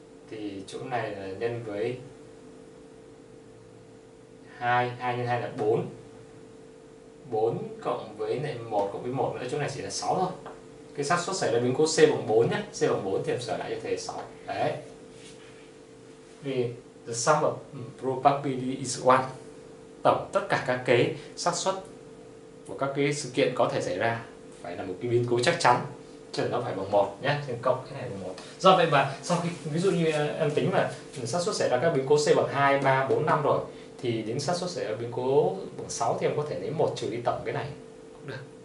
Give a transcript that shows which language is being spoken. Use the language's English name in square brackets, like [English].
[Vietnamese] Thì chỗ này là nhân với 2, 2 x 2 là 4. 4 cộng với này 1 cộng với 1 nữa, chỗ này chỉ là 6 thôi. Cái xác suất xảy ra biến cố C bằng 4 nhé. C bằng 4 thì em sửa lại cho thầy 6. Đấy. Vì [English] the sum of probability is 1. [Vietnamese] Tổng tất cả các cái xác suất của các cái sự kiện có thể xảy ra phải là một cái biến cố chắc chắn, chứ nó phải bằng 1 nhé. Trên cộng cái này bằng 1. Do vậy mà sau khi ví dụ như em tính mà xác suất xảy ra các biến cố C bằng 2, 3, 4, 5 rồi, thì đến xác suất xảy ra biến cố bằng 6 thì em có thể lấy 1 trừ đi tổng cái này cũng được.